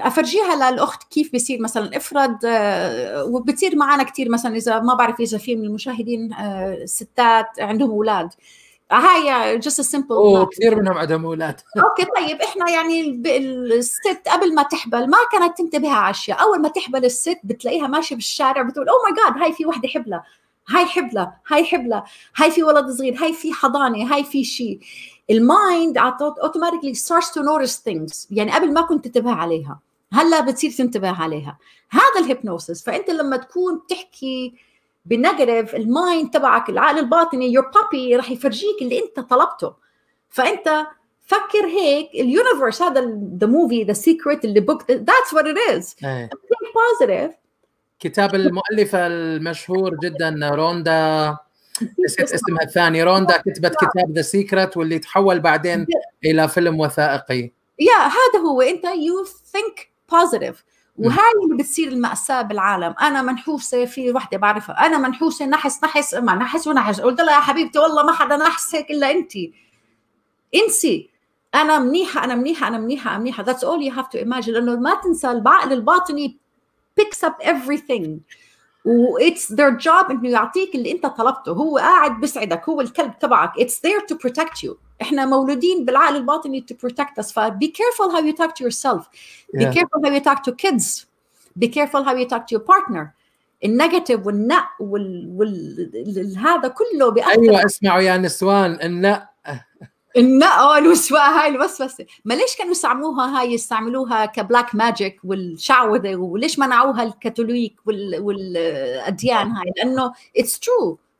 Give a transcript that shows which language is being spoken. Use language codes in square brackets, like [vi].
[ar] أفرجيها للأخت كيف بيصير مثلا افرض وبتصير معنا كتير مثلا إذا ما بعرف إذا في من المشاهدين ستات عندهم أولاد هاي [en] just a simple [ar] كثير منهم عندهم أولاد أوكي طيب إحنا يعني الست قبل ما تحبل ما كانت تنتبه على أشياء. أول ما تحبل الست بتلاقيها ماشي بالشارع بتقول [en] oh my god [ar] هاي في واحدة حبلة هاي حبلة هاي حبلة هاي في ولد صغير هاي في حضانة هاي في شيء. [en] المايند automatically starts to notice things. [ar] يعني قبل ما كنت تنتبه عليها هلا بتصير تنتبه عليها. هذا الهيبنوسيس. فانت لما تكون تحكي بالنيجاتيف المايند تبعك العقل الباطني [en] your puppy [ar] راح يفرجيك اللي انت طلبته. فانت فكر هيك اليونيفرس هذا [en] the movie the secret اللي book that's what it is. [ar] Positive. كتاب المؤلفة المشهور جدا روندا نسيت اسمها الثاني، روندا كتبت كتاب The Secret واللي تحول بعدين إلى فيلم وثائقي. يا هذا هو، أنت [en] you think positive [ar] وهاي اللي بتصير المأساة بالعالم. أنا منحوسة، في واحدة بعرفها أنا منحوسة، نحس. قلت لها يا حبيبتي والله ما حدا نحس هيك إلا أنت، انسي أنا منيحة أنا منيحة أنا منيحة أنا منيحة. [en] That's all you have to imagine. [ar] لأنه ما تنسى العقل الباطني [en] picks up everything [ar] و [en] it's their job [ar] إنه يعطيك اللي أنت طلبته. هو قاعد بسعدك، هو الكلب تبعك، [en] it's there to protect you. [ar] إحنا مولودين بالعقل الباطني [en] to protect us. فبe careful how you talk to yourself. Be yeah. careful how you talk to kids. Be careful how you talk to your partner. [ar] النيجاتيف والنق وال هذا كله بأثر. أيوة اسمعوا يا نسوان، النق النق والوسواء، هاي الوسوسة. ما ليش كانوا يستعملوها، هاي يستعملوها كبلاك ماجيك والشعوذة، وليش منعوها الكاثوليك والأديان هاي؟ لأنه [en] it's true.